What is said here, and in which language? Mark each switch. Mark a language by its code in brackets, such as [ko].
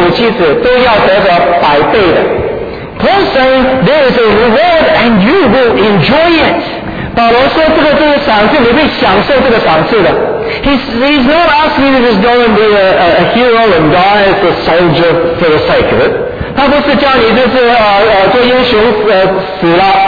[zh] 主耶稣说，这个人为我丢弃房屋、兄弟姊妹各方面的父母妻子，都要得着百倍的。 [en] Paul saying, there is a reward and you will enjoy it. [zh] 保罗说，这个就是赏赐，你会享受这个赏赐的。 [en] He's not asking you to just go and be a hero and die as a soldier for the sake of it. [zh] 他不是叫你就是做英雄死了。